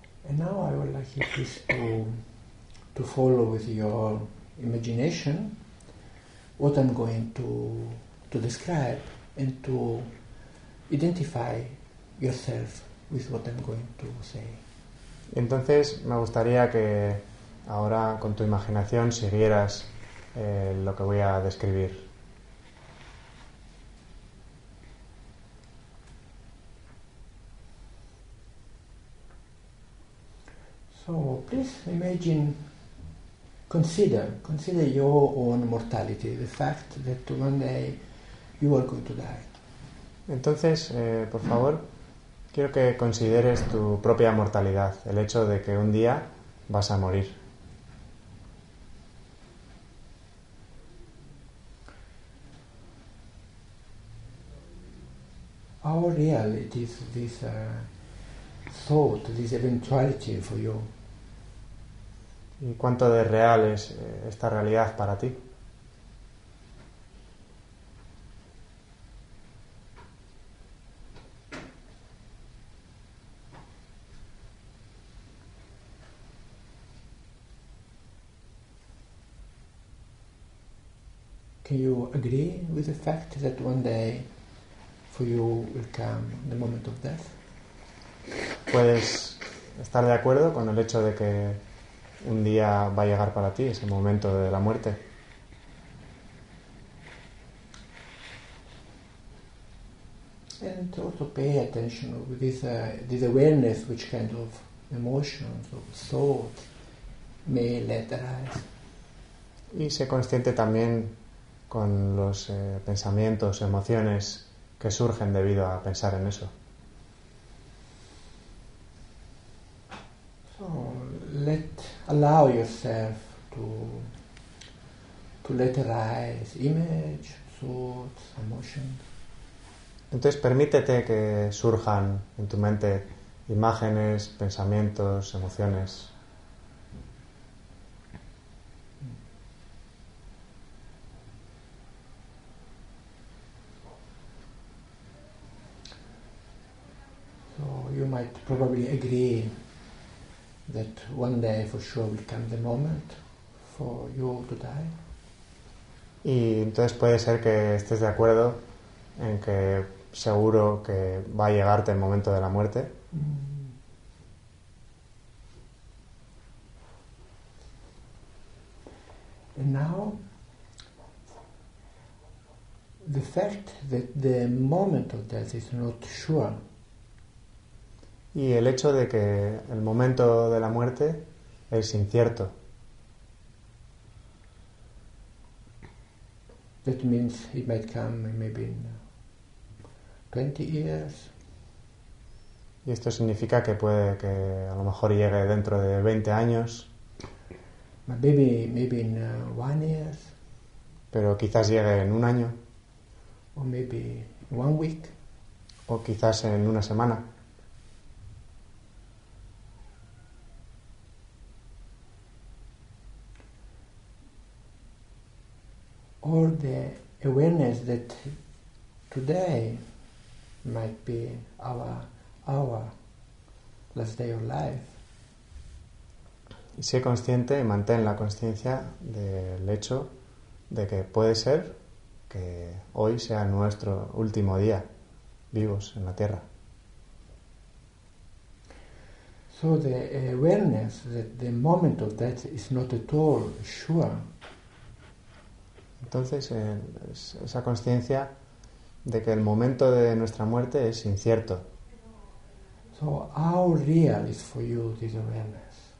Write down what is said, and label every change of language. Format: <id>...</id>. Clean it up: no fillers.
<en>Now I would like you please to follow with your imagination what I'm going to describe and to identify yourself with what I'm going to say.</en> <es>Entonces me gustaría que ahora con tu imaginación siguieras lo que voy a describir.</es> <en>So please imagine, consider your own mortality, the fact that one day you are going to die.</en> <es>Entonces, por favor, quiero que consideres tu propia mortalidad, el hecho de que un día vas a morir.</es> <en>how real it is this thought, this eventuality for you.</en> <es>¿Y cuánto de real es esta realidad para ti?</es> <en>Can you agree with the fact that one day for you will come the moment of death?</en> <es>¿Puedes estar de acuerdo con el hecho de que un día va a llegar para ti ese momento de la muerte?</es> <en>And also pay attention with this awareness which kind of emotions or thought may let arise.</en> <es>Y sé consciente también con los pensamientos, emociones que surgen debido a pensar en eso.</es> <en>So, allow yourself to let arise image, thoughts, emotions.</en> <es>Entonces permítete que surjan en tu mente imágenes, pensamientos, emociones.</es> <en>So you might probably agree that one day for sure will come the moment for you to die.</en> <es>Y entonces puede ser que estés de acuerdo en que seguro que va a llegarte el momento de la muerte.</es> <en>And now the fact that the moment of death is not sure.</en> <es>Y el hecho de que el momento de la muerte es incierto.</es> <en>That means it might come maybe in 20 years.</en> <es>Y esto significa que puede que a lo mejor llegue dentro de 20 años.</es> <en>Maybe in 1 year.</en> <es>Pero quizás llegue en un año.</es> <en>Or maybe 1 week.</en> <es>O quizás en una semana.</es> <en>Or the awareness that today might be our last day of life.</en> <es>Y sé consciente y mantén la consciencia del hecho de que puede ser que hoy sea nuestro último día vivos en la Tierra.</es> <en>So the awareness that the moment of death is not at all sure.</en> <es>Entonces, esa consciencia de que el momento de nuestra muerte es incierto.</es> <en>So, how real is for you this awareness?</en>